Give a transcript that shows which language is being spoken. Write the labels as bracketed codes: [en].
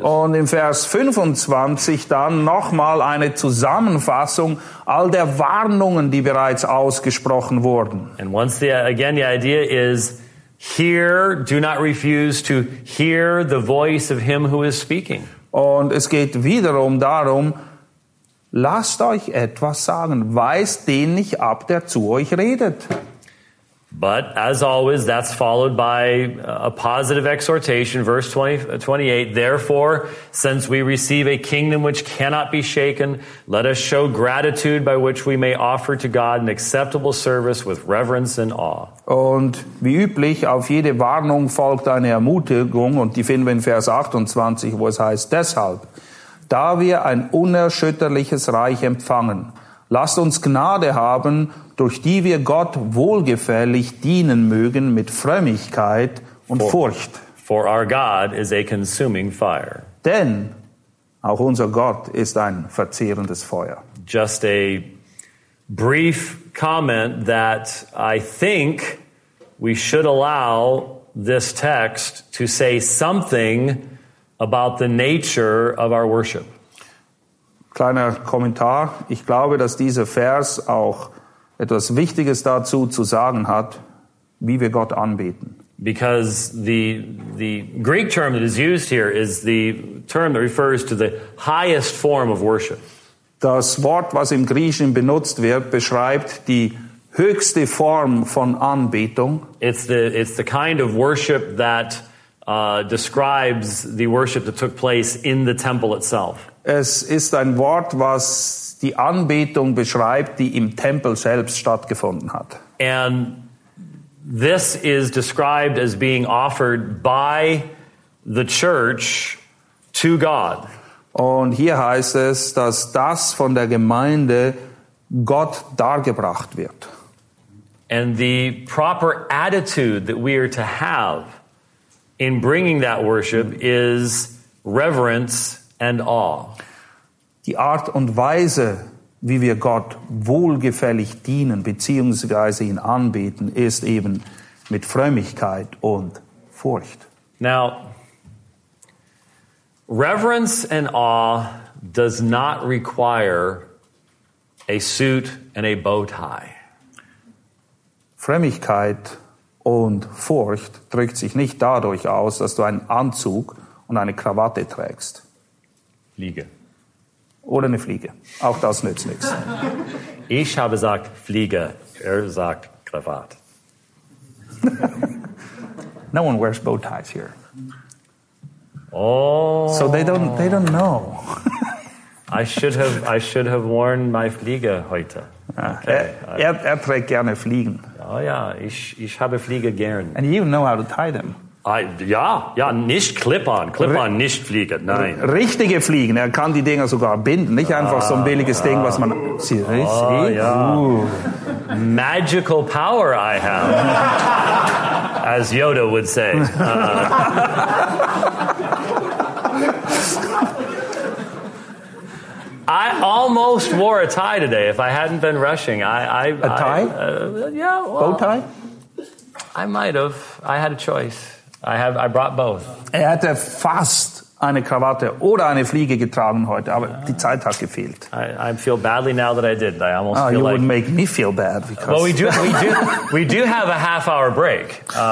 [de] Und in Vers 25 dann nochmal eine Zusammenfassung all der Warnungen, die bereits ausgesprochen wurden. [en] And once again, the idea is, hear, do not refuse to hear the voice of him who is speaking. [de] Und es geht wiederum darum, lasst euch etwas sagen, weist den nicht ab, der zu euch redet. [en] But as always, that's followed by a positive exhortation, verse 28. Therefore, since we receive a kingdom which cannot be shaken, let us show gratitude by which we may offer to God an acceptable service with reverence and awe. [de] Und wie üblich, auf jede Warnung folgt eine Ermutigung, und die finden wir in Vers 28, wo es heißt, deshalb, da wir ein unerschütterliches Reich empfangen, lasst uns Gnade haben, durch die wir Gott wohlgefällig dienen mögen mit Frömmigkeit und Furcht. [en] For our God is a consuming fire. [de] Denn auch unser Gott ist ein verzehrendes Feuer. [en] Just a brief comment that I think we should allow this text to say something about the nature of our worship. [de] Kleiner Kommentar. Ich glaube, dass dieser Vers auch etwas Wichtiges dazu zu sagen hat, wie wir Gott anbeten. [en] Because the Greek term that is used here is the term that refers to the highest form of worship. [de] Das Wort, was im Griechischen benutzt wird, beschreibt die höchste Form von Anbetung. [en] It's the kind of worship that describes the worship that took place in the temple itself. [de] Es ist ein Wort, was die Anbetung beschreibt, die im Tempel selbst stattgefunden hat. [en] And this is described as being offered by the church to God. [de] Und hier heißt es, dass das von der Gemeinde Gott dargebracht wird. [en] And the proper attitude that we are to have in bringing that worship is reverence and awe. [de] Die Art und Weise, wie wir Gott wohlgefällig dienen, beziehungsweise ihn anbeten, ist eben mit Frömmigkeit und Furcht. [en] Now, reverence and awe does not require a suit and a bow tie. [de] Frömmigkeit und Furcht drückt sich nicht dadurch aus, dass du einen Anzug und eine Krawatte trägst. Fliege. Oder eine Fliege. Auch das nützt nichts. Ich habe gesagt Fliege, sagt Krawatte. [en] No one wears bow ties here. Oh. So they don't know. I should have worn my Fliege [de] heute. Ja. Okay. Er trägt gerne Fliegen. Oh ja, ich habe Fliege gern. [en] And you know how to tie them. [de] Ja, nicht Clip-on, nicht Fliege, nein. Richtige Fliegen, er kann die Dinger sogar binden, nicht einfach so ein billiges Ding, was man... [en] Seriously? Oh, ja. Magical power I have, as Yoda would say. I almost wore a tie today, if I hadn't been rushing. A tie? Bow tie? I might have, I had a choice. I brought both. [de] Er hätte fast eine Krawatte oder eine Fliege getragen heute, aber die Zeit hat gefehlt. [en] I feel badly now that I didn't. I almost feel you like would make me feel bad because well, we do have a half hour break.